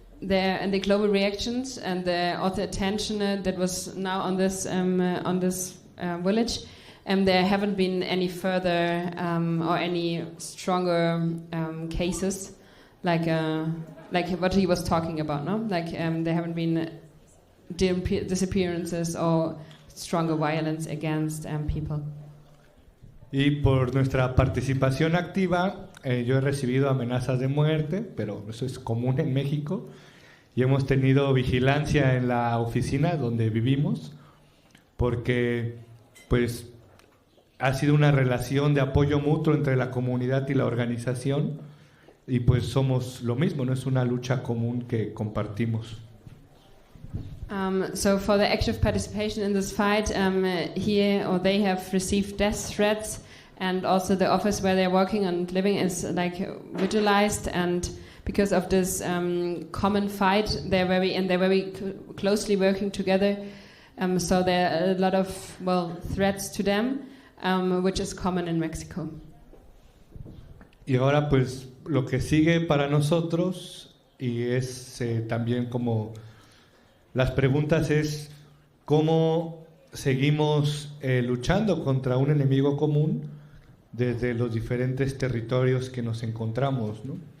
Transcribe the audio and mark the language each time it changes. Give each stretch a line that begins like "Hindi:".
English: And the global reactions and the author attention that was now on this village, there haven't been any further or any stronger cases, like what he was talking about, no? Like there haven't been disappearances or stronger violence against people.
Spanish: Y por nuestra participación activa, yo he recibido amenazas de muerte, pero eso es común en México, y hemos tenido vigilancia en la oficina donde vivimos, porque pues ha sido una relación de apoyo mutuo entre la comunidad y la organización, y pues somos lo mismo, no es una lucha común que compartimos.
English: So for the active participation in this fight, they have received death threats, and also the office where they're working and living is like vigilized, and because of this common fight, they're very closely working together. So there are a lot of threats to them, which is common in Mexico.
Spanish: Y ahora pues lo que sigue para nosotros y es también como las preguntas es cómo seguimos luchando contra un enemigo común desde los diferentes territorios que nos encontramos, ¿no?